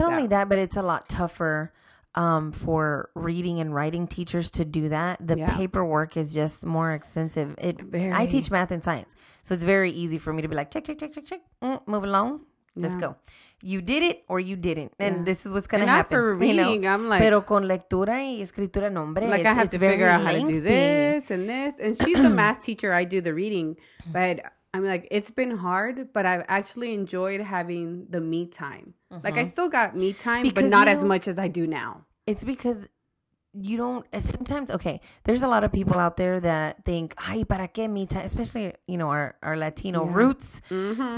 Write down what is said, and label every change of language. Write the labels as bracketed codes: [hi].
[en] Not only that, but it's a lot tougher for reading and writing teachers to do that. The yeah. paperwork is just more extensive. I teach math and science. So it's very easy for me to be like, check, check, check, check, check. Move along. Yeah. Let's go. You did it or you didn't. And yeah. this is what's going to happen. Not for reading. You know? I'm like. [es] Pero con lectura y escritura nombre. [en] Like I have to figure out how to do this and this. And she's the math teacher. I do the reading. But I'm like, it's been hard, but I've actually enjoyed having the me time. Mm-hmm. Like, I still got me time, because but not as much as I do now. It's because you don't, sometimes, okay, there's a lot of people out there that think, ay, para qué me time, especially, you know, our Latino yeah. roots. Mm-hmm.